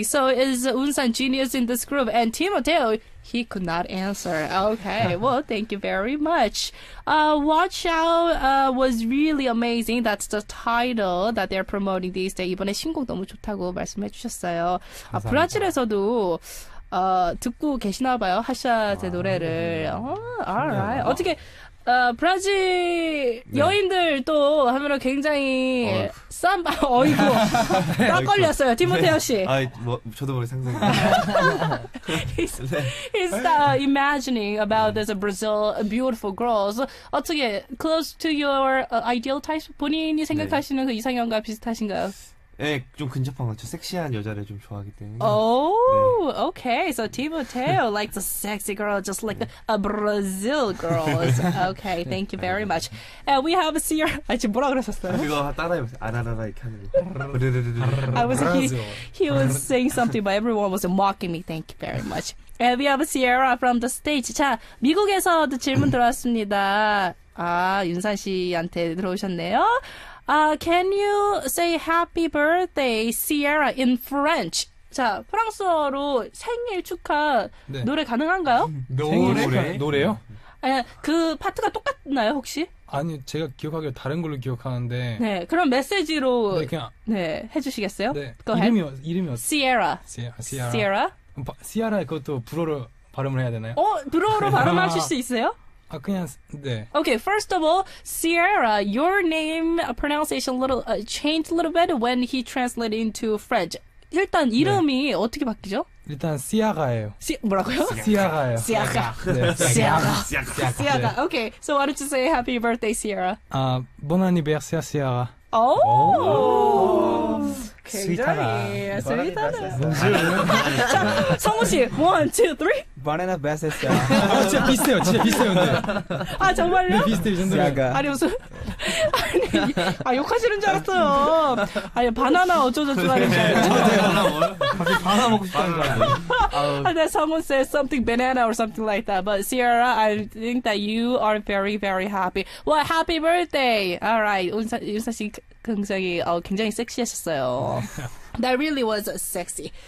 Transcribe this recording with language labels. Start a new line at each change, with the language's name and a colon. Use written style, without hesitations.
English: So is 은산 genius in this group and Timoteo? He could not answer. Okay, well, thank you very much. Watch Out was really amazing. That's the title that they're promoting these days.
Korean: 이번에 신곡 너무 좋다고 말씀해 주셨어요. 아, 브라질에서도 듣고 계시나 봐요, 하샷의 노래를. 네.
English: All right.
Korean: 네. 어떻게, 브라질 네. 여인들 또 하면 굉장히 쌈바, 어이구. 딱 걸렸어요, 티모테오 씨. 네. 아, 뭐, 저도 모르게 상상했어요.
English: He's,
Korean: 네.
English: he's imagining about
Korean: 네.
English: this Brazil beautiful girls.
Korean: 어떻게,
English: close to your ideal type?
Korean: 본인이 생각하시는 네. 그 이상형과 비슷하신가요? 네, 좀 근접한 것 같아요. 섹시한 여자를 좀 좋아하기 때문에.
English: Oh,
Korean: 네.
English: okay. So, Timoteo likes a sexy girl just like 네. a Brazil girl. Okay, thank you very much. And we have a seer.
Korean: 아, 지금 뭐라 그러셨어요? 이거 따라해보세요. 아라라라 이렇게 하는 거. I was, he was saying something, but everyone was mocking me. Thank you very much. And we have a Sierra from the States. 자, 미국에서도 질문 들어왔습니다. 아, 윤산 씨한테 들어오셨네요.
English: Can you say happy birthday, Sierra, in French?
Korean: 자, 프랑스어로 생일 축하 네. 노래 가능한가요? 노래? 노래요? 아니, 그 파트가 똑같나요, 혹시? 아니, 제가 기억하기로 다른 걸로 기억하는데. 네, 그럼 메시지로 네, 그냥, 네, 해주시겠어요? 네, 이름이요, 이름이요.
English: Sierra. Sierra. Sierra.
Korean: Sierra, 그것도 불어로 발음을 해야 되나요? 어, 불어로 발음하실 수 있어요? 아, 그냥, 네.
English: Okay, first of all, Sierra, your name pronunciation little changed a little bit when he translated into French.
Korean: 일단 이름이 네. 어떻게 바뀌죠? 일단 시아가예요. 시 뭐라고요? 시아가예요. 시아가. 시아가. 시아가.
English: Okay, so why don't you say happy birthday, Sierra?
French: Bon anniversaire, Sierra. Oh. oh. oh.
Korean: 스위타가 스위타네. 자, 성우 씨,
English: one, two, three.
Korean: 바나나 베스트. 아, 진짜 비슷해요, 진짜 비슷해요. 네. 아, 정말요? 네, 비슷해요, 정말. 시아가. 아니 무슨? 아니, 아 욕하시는 줄 알았어요. 아니 바나나 어쩌죠, 좋아요. 바나나 먹어. 바나나 먹고 싶다는 거야. 아, 근데
English: someone says something banana or something like that. But Sierra, I think that you are very, very happy. Well, happy birthday. All right,
Korean: 윤사 씨. 굉장히, 굉장히 섹시했었어요.
English: That really was sexy.